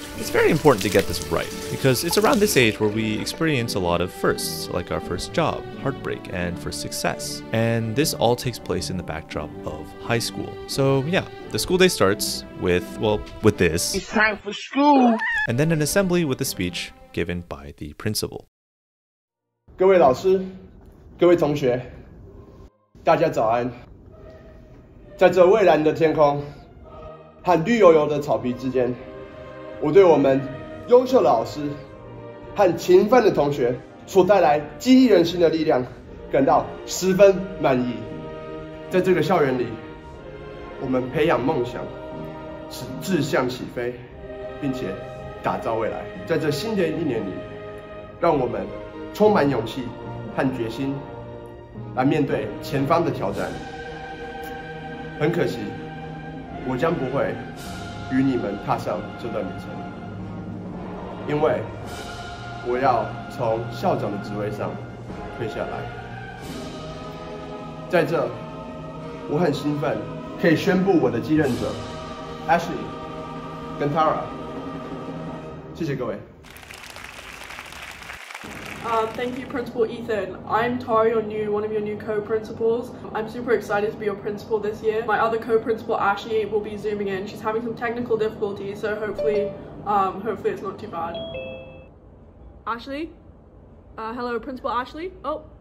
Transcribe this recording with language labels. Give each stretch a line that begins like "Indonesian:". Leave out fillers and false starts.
English: It's very important to get this right, because it's around this age where we experience a lot of firsts, like our first job, heartbreak, and first success. And this all takes place in the backdrop of high school. So yeah, the school day starts with, well, with this. It's time for school! And then an assembly with a speech given by the principal.
Chinese: 各位老师, 各位同学, 大家早安。在这蔚蓝的天空, 和绿油油的草皮之间, 我对我们优秀老师和勤奋的同学所带来激励人心的力量感到十分满意。在这个校园里，我们培养梦想，使志向起飞，并且打造未来。在这新的一年里，让我们充满勇气和决心来面对前方的挑战。很可惜，我将不会 与你们踏上这段旅程，因为我要从校长的职位上退下来。在这，我很兴奋，可以宣布我的继任者 Ashley 跟 Tara。谢谢各位。
English: Thank you, Principal Ethan. I'm Tara, one of your new co-principals. I'm super excited to be your principal this year. My other co-principal, Ashley, will be zooming in. She's having some technical difficulties, so hopefully it's not too bad. Ashley? Hello, Principal Ashley? Oh.